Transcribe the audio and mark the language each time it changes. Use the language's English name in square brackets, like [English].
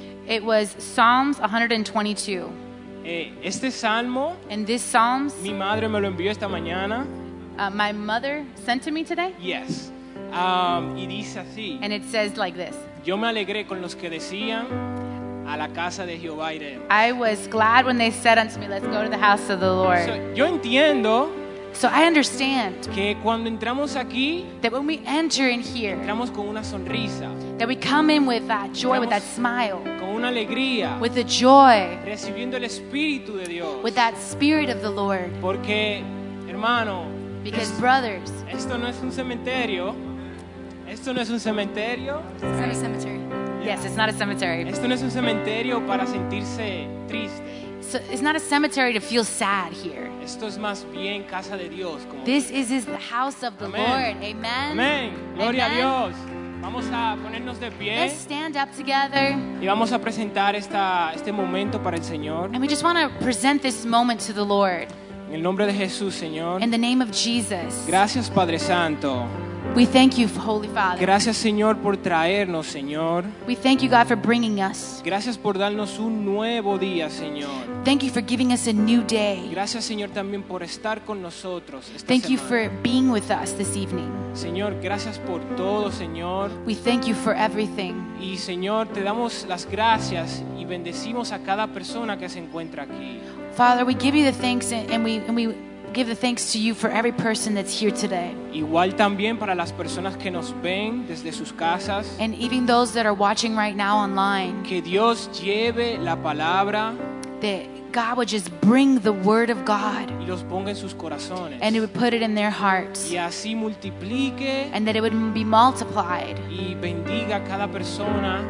[English] It was Psalms 122. [Spanish] Este Salmo, [English] and this Psalms, [Spanish] mi madre me lo envió esta mañana. [English] My mother sent to me today? Yes. [Spanish] Y dice así. [English] And it says like this. [Spanish] Yo me alegré con los que decían, a la casa de Jehová iremos. [English] I was glad when they said unto me, let's go to the house of the Lord. [Spanish] Yo entiendo. [English] So I understand [Spanish] que cuando entramos aquí, [English] that when we enter in here, [Spanish] entramos con una sonrisa, [English] that we come in with that joy, with that smile, [Spanish] con una alegría, [English] with the joy, [Spanish] recibiendo el Espíritu de Dios, [English] with that Spirit of the Lord. [Spanish] Porque, hermano, [English] because brothers, [Spanish] esto no es un cementerio. Esto no es un cementerio. [English] It's not a cemetery. Yeah. Yes, it's not a cemetery. [Spanish] Esto no es un cementerio para sentirse triste. [English] So it's not a cemetery to feel sad here. [Spanish] Esto es más bien casa de Dios, como [English] this is the house of the Amen. Lord. Amen. Amen. [Spanish] Gloria Amen. A Dios. Vamos a ponernos de pie. [English] Let's stand up together. [Spanish] Y vamos a presentar este momento para el Señor. [English] And we just want to present this moment to the Lord. [Spanish] En el nombre de Jesús, Señor. [English] In the name of Jesus. [Spanish] Gracias, Padre Santo. [English] We thank you, Holy Father. [Spanish] Gracias, Señor, por traernos, Señor. [English] We thank you, God, for bringing us. [Spanish] Gracias por darnos un nuevo día, Señor. [English] Thank you for giving us a new day. [Spanish] Gracias, Señor, también por estar con nosotros esta [English] thank [Spanish] semana. [English] You for being with us this evening. [Spanish] Señor, gracias por todo, Señor. [English] We thank you for everything. [Spanish] Y, Señor, te damos las gracias y bendecimos a cada persona que se encuentra aquí. [English] Father, we give you the thanks and we give the thanks to you for every person that's here today. [Spanish] Igual también para las personas que nos ven desde sus casas. [English] And even those that are watching right now online. [Spanish] Que Dios lleve la palabra. [English] That God would just bring the word of God. [Spanish] Y los ponga en sus corazones. [English] And it would put it in their hearts. [Spanish] Y así multiplique. [English] And that it would be multiplied. [Spanish] Y bendiga a cada persona.